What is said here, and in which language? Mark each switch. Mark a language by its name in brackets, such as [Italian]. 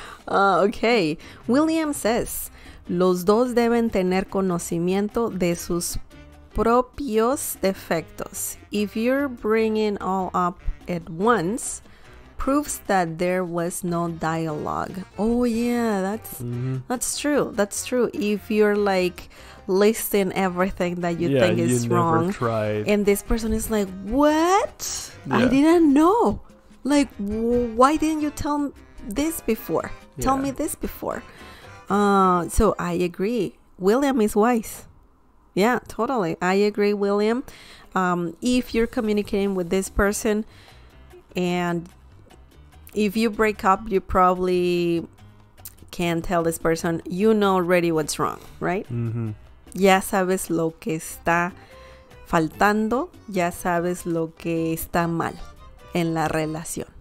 [English] Okay, William says, [Spanish] los dos deben tener conocimiento de sus propios defectos. [English] If you're bringing all up at once, proves that there was no dialogue. Oh yeah, that's true. If you're like listing everything that you think is wrong, and this person is like, what? Yeah. I didn't know. Like, why didn't you tell this before? Tell me this before. So I agree. William is wise. Yeah, totally. I agree, William. If you're communicating with this person and if you break up, you probably can tell this person, you know already what's wrong, right? Mm-hmm. [Spanish] Ya sabes lo que está faltando. Ya sabes lo que está mal en la relación.